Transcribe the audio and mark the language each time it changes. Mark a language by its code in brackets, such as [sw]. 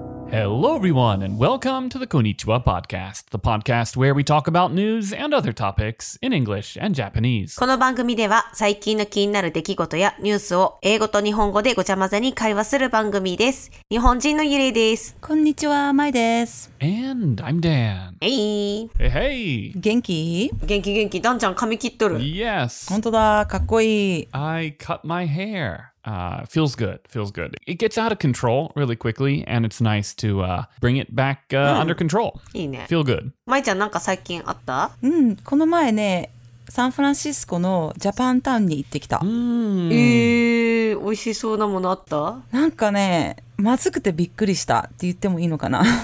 [en] Hello, everyone, and welcome to the Konnichiwa Podcast, the podcast where we talk about news and other topics in English and Japanese. [ja] この番組では最近の気になる出来事やニュースを英語と日本語でごちゃ混ぜに会話する番組です。日本人のゆれいです。こんにちは、まいです。 [en] And I'm Dan. Hey. Hey, hey. [ja] 元気？元気元気。ダンちゃん髪切っとる。 [en] Yes. [ja] 本当だ。かっこいい。 [en] I cut my hair. Feels good. Feels good. It gets out of control really quickly, and it's nice to bring it back under control. [ja] いいね。 [en] Feel good. [ja] まいちゃんなんか最近あった？うん。この前ね、サンフランシスコのジャパンタウンに行ってきた。美味しそうなものあった？なんかね、まずくてびっくりしたって言ってもいいのかな。